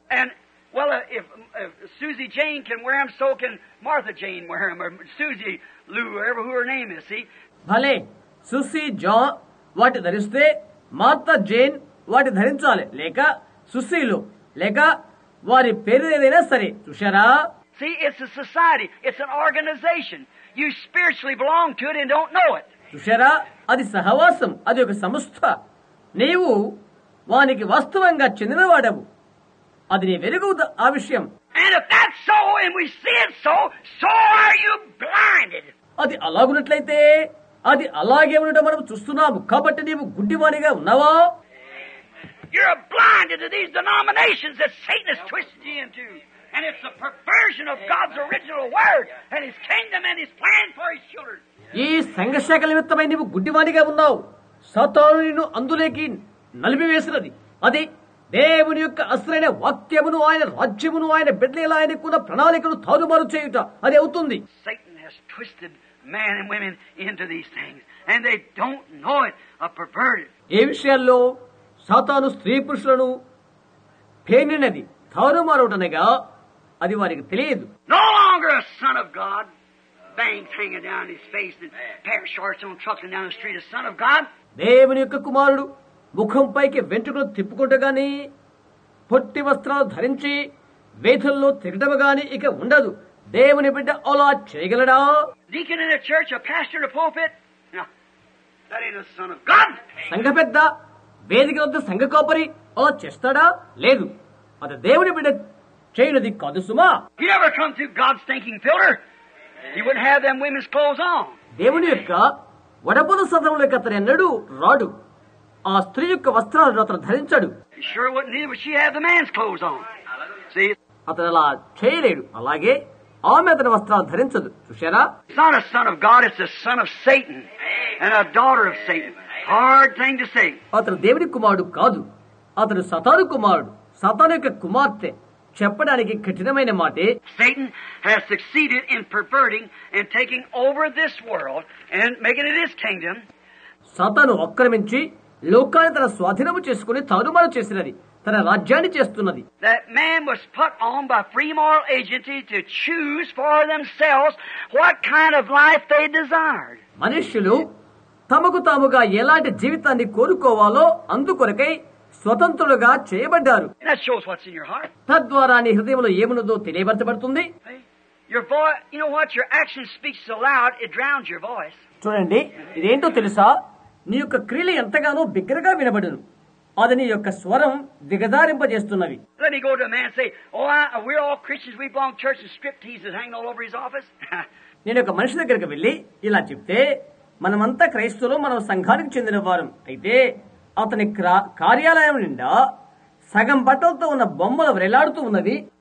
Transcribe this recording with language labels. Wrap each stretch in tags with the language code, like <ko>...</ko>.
<en>And well if Suzy Jane can wear them, so can Martha Jane wear them, or Suzy Lou, ever who her name is. See,</en> <te>భలే Susie John వాటి ధరిస్తే Martha Jane వాటి ధరించాలి, లేక సుసీలు, లేక వారి పేరు ఏదైనా సరే. చూశారా?</te> <en>See, it's a society. It's an organization. You spiritually belong to it and don't know it.</en> <te>చూశారా? అది సహవాసం, అది ఒక సంస్థ. నీవు వానికి వాస్తవంగా చెందినవాడవు. అది నీ వెలుగు ఆ విషయం.</te> <en>And if that's so and we see it so, so are you blinded.</en> <te>అది అలాగున్నట్లయితే, అది అలాగే ఉండటం మనం చూస్తున్నాము. కాబట్టి నీవు గుడ్డివాణిగా ఉన్నావా?</te> <en>You're blind to these denominations that Satan has twisted you into. And it's a perversion of God's original word and his kingdom and his plan for his children.</en> <te>ఈ సంఘశకల నిమిత్తమై నీవు గుడ్డివాణిగా ఉన్నావు. సాతాను నిన్ను అందులోకి నలిపివేసినది. అది దేవుని యొక్క అస్త్రమైన వాక్యమును, ఆయన రాజ్యమును, ఆయన బిడ్డల ఆయనకున్న ప్రణాళికను తారుమారు చేయుట అది అవుతుంది.</te> <en>Satan has twisted men and women into these things and they don't know it, a perverted.</en> <te>ఈ విషయంలో సాతాను స్త్రీ పురుషులను పేనినది, తారుమారుటనగా అది వారికి తెలియదు.</te> <en>No longer a son of God bangs hanging down his face and pair of shorts on trucking down the street, a son of God.</en> <te>దేవుని యొక్క కుమారుడు ముఖం పైకి వెంట్రుకలు తిప్పుకుంటగాని, పొట్టి వస్త్రాలు ధరించి వేధుల్లో తిరగడం గాని ఇక ఉండదు. దేవుని బిడ్డ అలా చేయగలడా?</te> <en>Deacon in a church, a pastor in a pulpit, that ain't a son of God.</en> <te>సంఘ పెద్ద వేదిక వద్ద సంఘ కాపరి అలా చేస్తాడా? లేదు. అది దేవుని బిడ్డ చేయనది కాదు సుమా.</te> <en>He never come through God's thinking filter. He wouldn't have them women's clothes on.</en> <te>దేవుని యొక్క వడపోత సదనంలోకి అతను ఎన్నడు రాడు. ఆ స్త్రీ యొక్క వస్త్రాలు అతను ధరించాడు.</te> <en>Sure wouldn't need, but she had the man's clothes on. See?</en> <te>అతను అలా చేయలేడు. అలాగే ఆమె అతని వస్త్రాలు ధరించదు. చూశారా?</te> <en>It's not a son of God, it's a son of Satan and a daughter of Satan. Hard thing to say.</en> <te>అతను దేవుని కుమారుడు కాదు, అతను సతాను కుమారుడు, సతాను యొక్క కుమార్తె. చెప్పడానికి కఠినమైన మాటే.</te> <en>Satan has succeeded in perverting and taking over this world and making it his kingdom.</en> <te>Satan ఆక్రమించి లోకాన్ని తన స్వాధీనము చేసుకుని తారుమారు చేసినది, తన రాజ్యాన్ని చేస్తున్నది.</te> <en>That man was put on by free moral agency to choose for themselves what kind of life they desired.</en> <te>మనుషులు తమకు తాముగా ఎలాంటి జీవితాన్ని కోరుకోవాలో అందుకొరకై స్వతంత్రులుగా చేయబడ్డారు.</te> <en>That shows what's in your heart.</en> <te>తద్వారా నీ హృదయంలో ఏమున్నదో తెలియబడుతుంది.</te> <en>Your voice, you know what, your action speaks so loud it drowns your voice.</en> <te>చూడండి, ఇదేంటో తెలుసా? నీ యొక్క క్రియలు ఎంతగానో బిగ్గరగా వినబడును. అది నీ యొక్క స్వరం దిగదారింపజేస్తున్నవి.</te> <en>Let me go to a man and say, oh, we're all Christians, we belong to church, and strip teases hanging all over his office.</en> <te>నేను ఒక మనిషి దగ్గరికి వెళ్ళి ఇలా చెప్తే, మనమంతా క్రైస్తవులు, మనం సంఘానికి చెందిన వారం, అయితే అతని కార్యాలయం నిండా సగం బట్టలతో ఉన్న బొమ్మలు వ్రేలాడుతూ ఉన్నది.</te>